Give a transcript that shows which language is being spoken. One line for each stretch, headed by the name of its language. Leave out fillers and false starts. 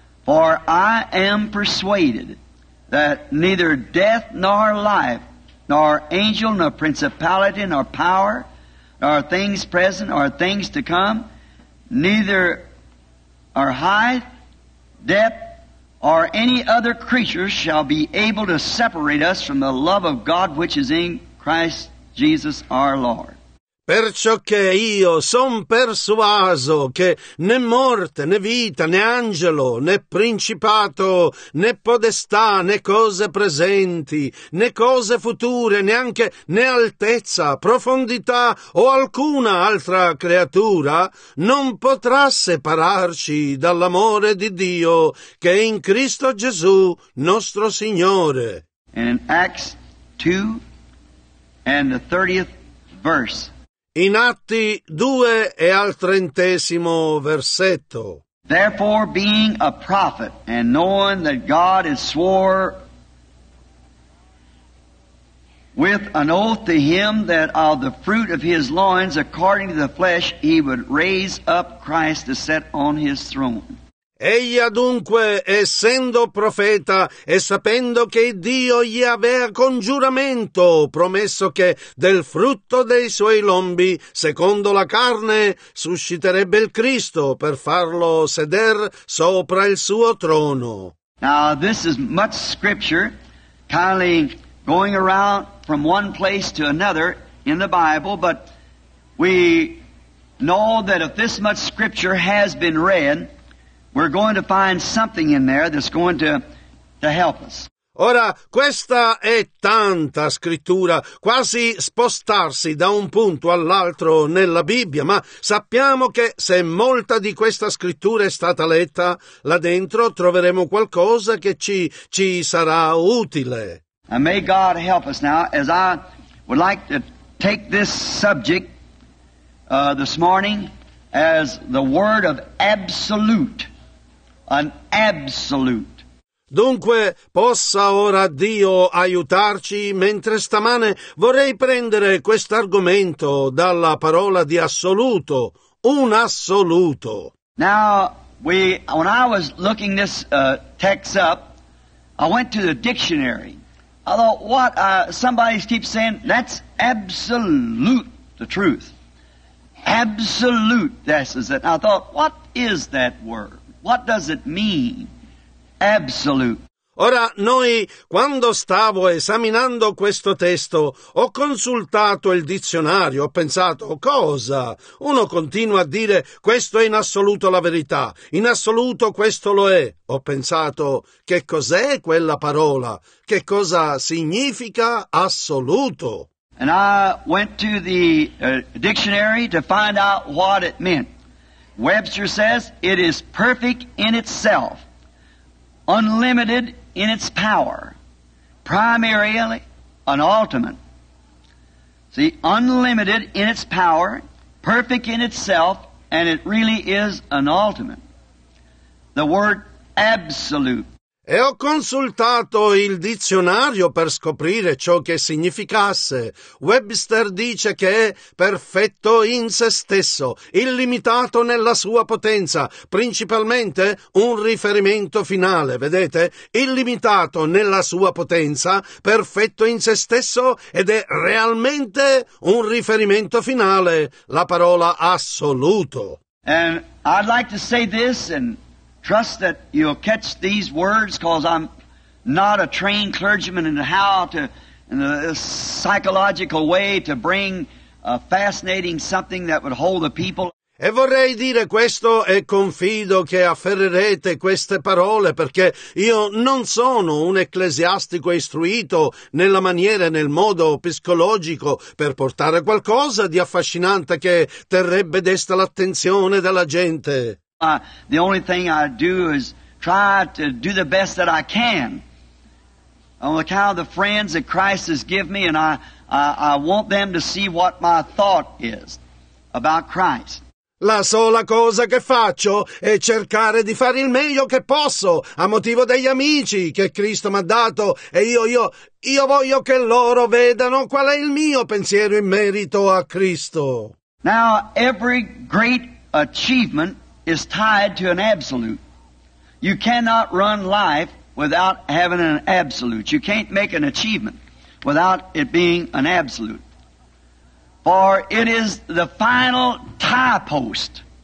English: For I am persuaded that neither death nor life, nor angel, nor principality, nor power, nor things present, nor things to come, neither our height, depth, or any other creature shall be able to separate us from the love of God which is in Christ Jesus our Lord.
Italian: Perciò che io son persuaso che né morte, né vita, né angelo, né principato, né podestà, né cose presenti, né cose future, neanche né altezza, profondità o alcuna altra creatura non potrà separarci dall'amore di Dio che è in Cristo Gesù, nostro Signore.
English: In Acts 2 and the 30th verse.
Italian: In Atti 2 e al 30 versetto.
English: Therefore, being a prophet, and knowing that God has swore with an oath to him that of the fruit of his loins, according to the flesh, he would raise up Christ to sit on his throne.
Italian: Egli adunque, essendo profeta e sapendo che Dio gli aveva con giuramento promesso che del frutto dei suoi lombi, secondo la carne, susciterebbe il Cristo per farlo seder sopra il suo trono.
English: Now this is much scripture, kindly going around from one place to another in the Bible, but we know that if this much scripture has been read, we're going to find something in there that's going to help us.
Italian: Ora, questa è tanta scrittura, quasi spostarsi da un punto all'altro nella Bibbia, ma sappiamo che se molta di questa scrittura è stata letta, là dentro troveremo qualcosa che ci sarà utile.
English: And may God help us now, as I would like to take this subject this morning as the word of absolute. An absolute.
Italian: Dunque, possa ora Dio aiutarci, mentre stamane vorrei prendere quest'argomento dalla parola di assoluto, un assoluto.
English: Now, when I was looking this text up, I went to the dictionary. I thought, what? Somebody keeps saying, that's absolute the truth. Absolute, this is it. I thought, what is that word? What does it mean? Absolute.
Italian: Ora, noi, quando stavo esaminando questo testo, ho consultato il dizionario, ho pensato, cosa? Uno continua a dire, questo è in assoluto la verità, in assoluto questo lo è. Ho pensato, che cos'è quella parola? Che cosa significa assoluto?
English: And I went to the dictionary to find out what it meant. Webster says, it is perfect in itself, unlimited in its power, primarily an ultimate. See, unlimited in its power, perfect in itself, and it really is an ultimate. The word absolute.
Italian: E ho consultato il dizionario per scoprire ciò che significasse. Webster dice che è perfetto in se stesso, illimitato nella sua potenza, principalmente un riferimento finale, vedete? Illimitato nella sua potenza, perfetto in se stesso ed è realmente un riferimento finale, la parola assoluto.
English: And I'd like to say this and trust that you'll catch these words, because I'm not a trained clergyman in how to, in a psychological way, to bring a fascinating something that would hold the people.
Italian: E vorrei dire questo e confido che afferrerete queste parole, perché io non sono un ecclesiastico istruito nella maniera e nel modo psicologico per portare qualcosa di affascinante che terrebbe desta l'attenzione della gente.
English: The only thing I do is try to do the best that I can on account of the friends that Christ has given me, and I want them to see what my thought is about Christ.
Italian: La sola cosa che faccio è cercare di fare il meglio che posso, a motivo degli amici che Cristo mi ha dato, e io voglio che loro vedano qual è il mio pensiero in merito a Cristo.
English: Now, every great achievement is tied to an absolute. You cannot run life without having an absolute. You can't make an achievement without it being an absolute. For it is the final tie post.